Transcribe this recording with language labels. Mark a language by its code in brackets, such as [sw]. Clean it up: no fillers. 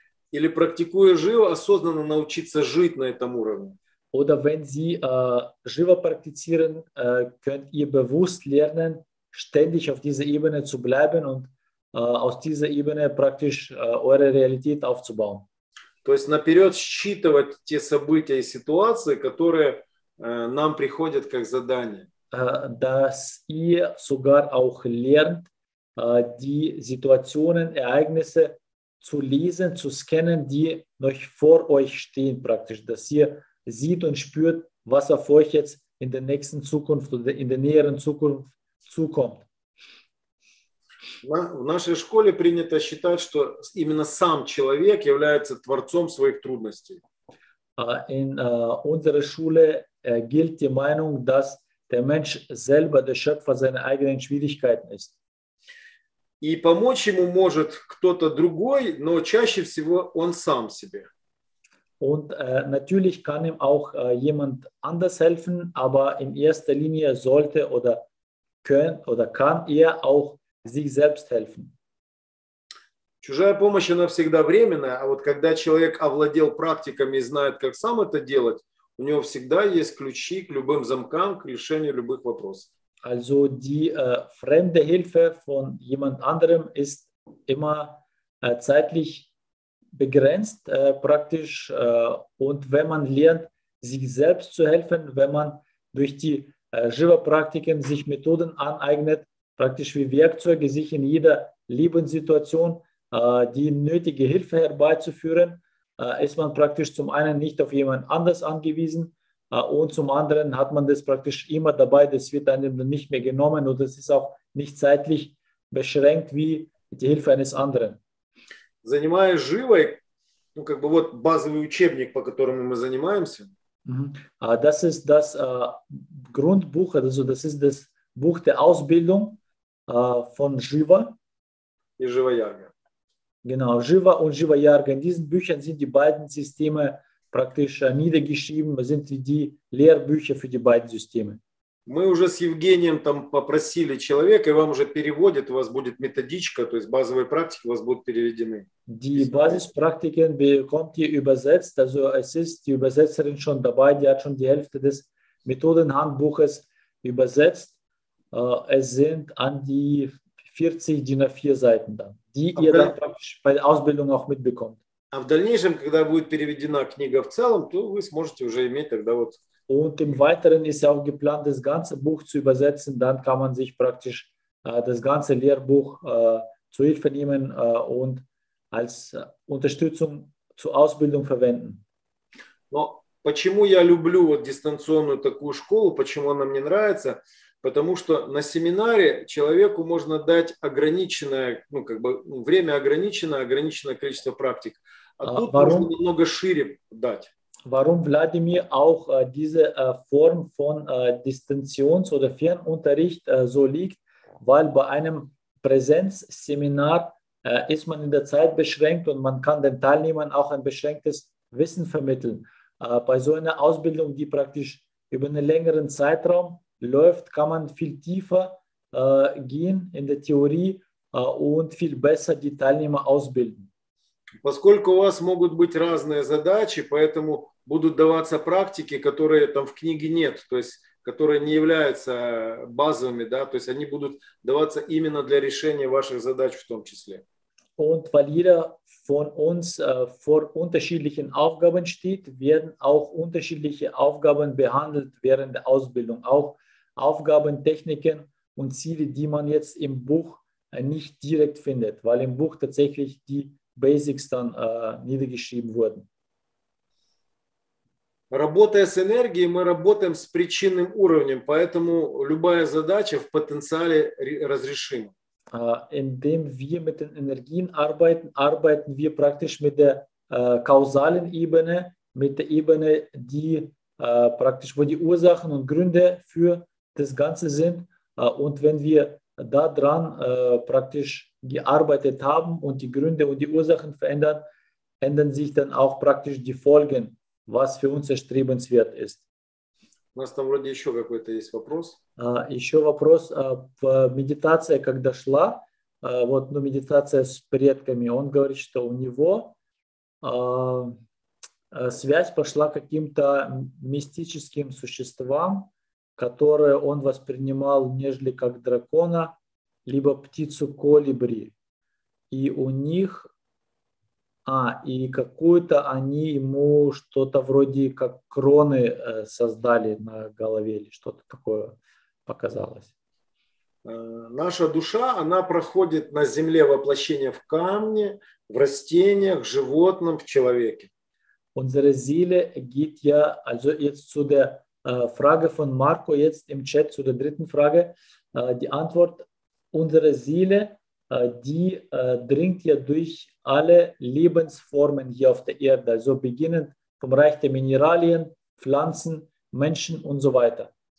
[ru] Или практикуя живо, осознанно научиться жить на этом уровне. [de] Oder wenn Sie Shiva praktizieren, könnt ihr bewusst lernen, ständig auf dieser Ebene zu bleiben und aus dieser Ebene praktisch eure Realität aufzubauen. [ru] То есть наперед считывать те события и ситуации, которые нам приходят как задание. [de] Dass ihr sogar auch lernt, die Situationen, Ereignisse zu lesen, zu scannen, die noch vor euch stehen praktisch, dass ihr sieht und spürt, was auf euch jetzt in der nächsten Zukunft oder in der näheren Zukunft zukommt. [ru] В нашей школе принято считать, что именно сам человек является творцом своих трудностей. [de] In unserer Schule gilt die Meinung, dass der Mensch selber der Schöpfer seiner eigenen Schwierigkeiten ist. [ru] И помочь ему может кто-то другой, но чаще всего он сам себе. [de] Und natürlich kann ihm auch jemand anders helfen, aber in erster Linie sollte oder können oder kann er auch sich selbst helfen. [ru] Чужая помощь, она всегда временная, а вот когда человек овладел практиками и знает, как сам это делать, у него всегда есть ключи к любым замкам, к решению любых вопросов. [de] Also die fremde Hilfe von jemand anderem ist immer zeitlich begrenzt praktisch. Und wenn man lernt, sich selbst zu helfen, wenn man durch die Shiva-Praktiken sich Methoden aneignet, praktisch wie Werkzeuge, sich in jeder Lebenssituation die nötige Hilfe herbeizuführen, ist man praktisch zum einen nicht auf jemand anders angewiesen und zum anderen hat man das praktisch immer dabei, das wird einem dann nicht mehr genommen und das ist auch nicht zeitlich beschränkt wie die Hilfe eines anderen. [ru] Занимаясь живой, ну как бы вот базовый учебник, по которому мы занимаемся. [de] Das ist das Grundbuch, also das ist das Buch der Ausbildung von Shiva. [ru] И Шива-Ярга. [de] Genau, Shiva und Shiva-Ярга. In diesen Büchern sind die beiden Systeme praktisch niedergeschrieben, sind die Lehrbücher für die beiden Systeme. [ru] Мы уже с Евгением там попросили человека, и вам уже переводят, у вас будет методичка, то есть базовые практики у вас будут переведены. [de] Die Basispraktiken bekommt ihr übersetzt, also es ist die Übersetzerin schon dabei, die hat schon die Hälfte des Methodenhandbuches übersetzt. Es sind an die 40 DIN A4 Seiten dann, die ihr dann praktisch bei der Ausbildung auch mitbekommt. [ru] А в дальнейшем, когда будет переведена книга в целом, то вы сможете уже иметь тогда вот. [de] Und im Weiteren ist ja auch geplant, das ganze Buch zu übersetzen. Dann kann man sich praktisch das ganze Lehrbuch zu Hilfe nehmen und als Unterstützung zur Ausbildung verwenden. [ru] Но почему я люблю вот дистанционную такую школу, почему она мне нравится? Потому что на семинаре человеку можно дать ограниченное, ну как бы время ограниченное, ограниченное количество практик. А тут [de] warum? [ru] Можно немного шире дать. [de] Warum Wladimir auch diese Form von Distanzions- oder Fernunterricht so liegt, weil bei einem Präsenzseminar ist man in der Zeit beschränkt und man kann den Teilnehmern auch ein beschränktes Wissen vermitteln. Bei so einer Ausbildung, die praktisch über einen längeren Zeitraum läuft, kann man viel tiefer gehen in der Theorie und viel besser die Teilnehmer ausbilden. [ru] Поскольку у вас могут быть разные задачи, поэтому будут даваться практики, которые там в книге нет, то есть которые не являются базовыми, да, то есть они будут даваться именно для решения ваших задач в том числе. [de] Und weil jeder von uns vor unterschiedlichen Aufgaben steht, werden auch unterschiedliche Aufgaben behandelt während der Ausbildung. Auch Aufgaben, Techniken und Ziele, die man jetzt im Buch nicht direkt findet, weil im Buch tatsächlich die Basics dann niedergeschrieben wurden. [ru] Работая с энергией, мы работаем с причинным уровнем, поэтому любая задача в потенциале разрешима. [de] Indem wir mit den Energien arbeiten, arbeiten wir praktisch mit der kausalen Ebene, mit der Ebene, die praktisch, wo die Ursachen und Gründe für das Ganze sind. Und wenn wir daran praktisch gearbeitet haben und die Gründe und die Ursachen verändern, ändern sich dann auch praktisch die Folgen, was für uns erstrebenswert ist. [ru] У нас там вроде еще какой-то есть вопрос. Еще вопрос. Медитация, когда шла, вот, ну, медитация с предками, он говорит, что у него связь пошла каким-то мистическим существам, которые он воспринимал нежели как дракона, либо птицу колибри. И у них... и какую-то они ему что-то вроде как кроны создали на голове или что-то такое показалось. Наша душа, она проходит на земле воплощение в камне, в растениях, в животном, в человеке. [de] Unsere Seele geht ja, also jetzt zu der Frage von Marco, jetzt im Chat zu der dritten Frage, die Antwort, unsere Seele, die dringt ja durch alle Lebensformen hier auf der Erde, also beginnend vom Reich der Mineralien, Pflanzen, Menschen und so weiter.